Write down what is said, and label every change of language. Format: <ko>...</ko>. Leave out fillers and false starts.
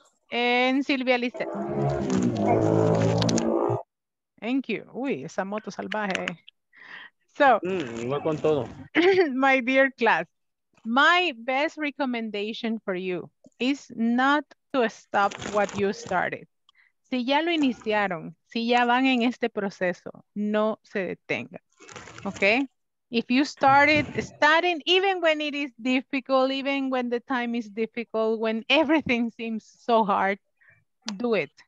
<en>And Silvia Lisa. Thank you.</en> <es>Uy, esa moto salvaje. So, con todo.</es> <en>My dear class, my best recommendation for you is not to stop what you started.</en> <es>Si ya lo iniciaron, si ya van en este proceso, no se detenga.</es> <en>Okay? If you started studying, even when it is difficult, even when the time is difficult, when everything seems so hard, do it.</en>